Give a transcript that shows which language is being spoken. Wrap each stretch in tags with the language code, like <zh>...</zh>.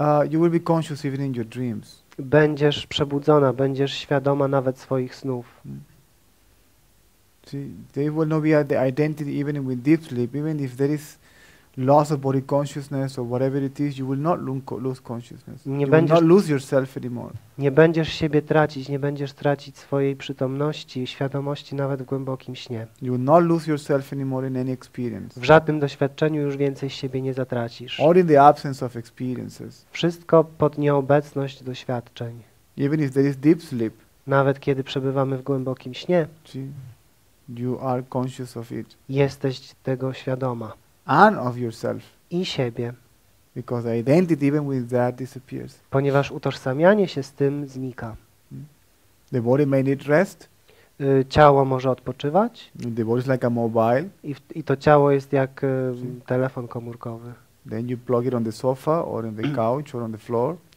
<en>You will be conscious even in your dreams.</en> <pl>Będziesz przebudzona, będziesz świadoma nawet swoich snów.</pl> <en>See, they will not be at the identity even with deep sleep, even if there is loss of body consciousness or whatever it is, you will not lose consciousness.</en> <pl>Nie będziesz</pl> <en>will not lose yourself anymore.</en> <pl>Nie będziesz siebie tracić, nie będziesz tracić swojej przytomności, świadomości nawet w głębokim śnie.</pl> <en>You will not lose yourself anymore in any experience.</en> <pl>W żadnym doświadczeniu już więcej siebie nie zatracisz.</pl> <en>Or in the absence of experiences.</en> <pl>Wszystko pod nieobecność doświadczeń.</pl> <en>Even if there is deep sleep.</en> <pl>Nawet kiedy przebywamy w głębokim śnie.</pl> <en>See? You are conscious of it.</en> <pl>Jesteś tego świadoma.</pl> <en>And of yourself.</en> <pl>I siebie.</pl> <en>Because identity even with that disappears.</en> <pl>Ponieważ utożsamianie się z tym znika.</pl> <en>The body may need rest.</en> <pl>Ciało może odpoczywać.</pl> <en>The body is like a mobile.</en> <pl>I to ciało jest jak telefon komórkowy.</pl> <en>Then you plug it on the sofa or in the couch or on the floor.</en>